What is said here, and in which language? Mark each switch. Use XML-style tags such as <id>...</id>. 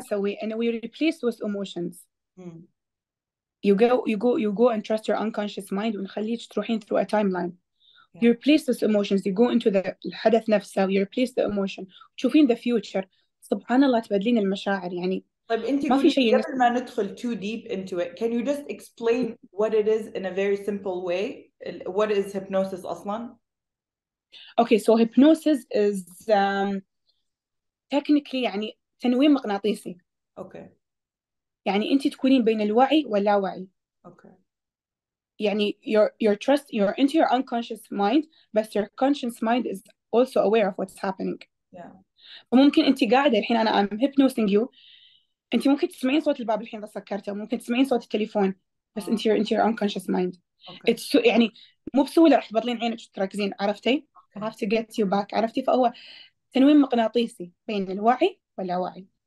<ar>نسوي؟ إن</ar> <en>we replace those emotions. You go and trust your unconscious mind</en> <ar>ونخليك تروحين</ar> <en>through a timeline. You replace those emotions, you go into the</en> <ar>الحدث نفسه,</ar> <en>you replace the emotion,</en> <ar>تشوفين</ar> <en>the future.</en> <ar>سبحان الله تبدلين المشاعر يعني طيب انت ما في قلت شيء قبل ما ندخل</ar> <en>too deep into it, can you just explain what it is in a very simple way? What is hypnosis أصلاً؟ Okay, so hypnosis is technically</en> <ar>يعني تنويم مغناطيسي. يعني أنت تكونين بين الوعي واللاوعي.</ar> <en>يعني you're into your unconscious mind, but your conscious mind is also aware of what's happening.</en> <ar>فممكن أنت قاعدة الحين أنا</ar> <en>I'm hypnosing you.</en> <ar>أنت ممكن تسمعين صوت الباب الحين إذا سكرته، ممكن تسمعين صوت التليفون، بس انت</ar> <en>your unconscious mind.</en> <ar>It's so, يعني مو بسهوله راح تبطلين عينك تركزين، عرفتي؟</ar> <en>I have to get you back،</en> <ar>عرفتي؟ فهو تنويم مقناطيسي بين الوعي واللاوعي.</ar>